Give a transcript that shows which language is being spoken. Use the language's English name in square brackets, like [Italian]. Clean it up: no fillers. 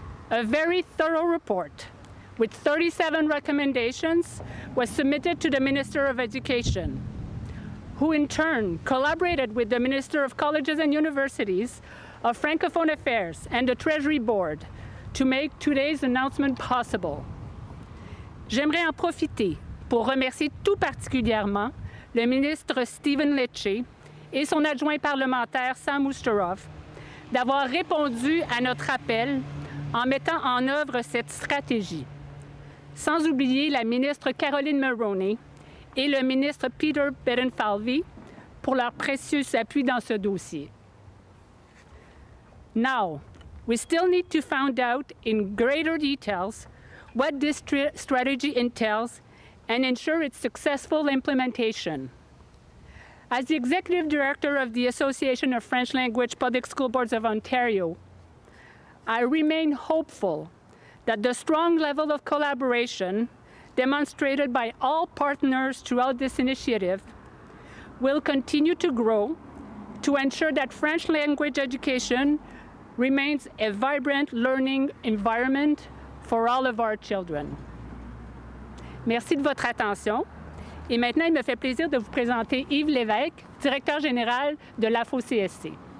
[English] A very thorough report with 37 recommendations was submitted to the Minister of Education, who in turn collaborated with the Minister of Colleges and Universities, of Francophone Affairs, and the Treasury Board to make today's announcement possible. [French] J'aimerais en profiter pour remercier tout particulièrement le ministre Stephen Lecce et son adjoint parlementaire Sam Ousterov d'avoir répondu à notre appel en mettant en œuvre cette stratégie. Sans oublier la ministre Caroline Mulroney et le ministre Peter Bedenfalvy pour leur précieux appui dans ce dossier. [English] Now, we still need to find out in greater details what this strategy entails and ensure its successful implementation. As the Executive Director of the Association of French Language Public School Boards of Ontario, I remain hopeful that the strong level of collaboration demonstrated by all partners throughout this initiative will continue to grow to ensure that French language education remains a vibrant learning environment for all of our children. [French] Merci de votre attention. Et maintenant, il me fait plaisir de vous présenter Yves Lévesque, directeur général de l'AFO-CSC.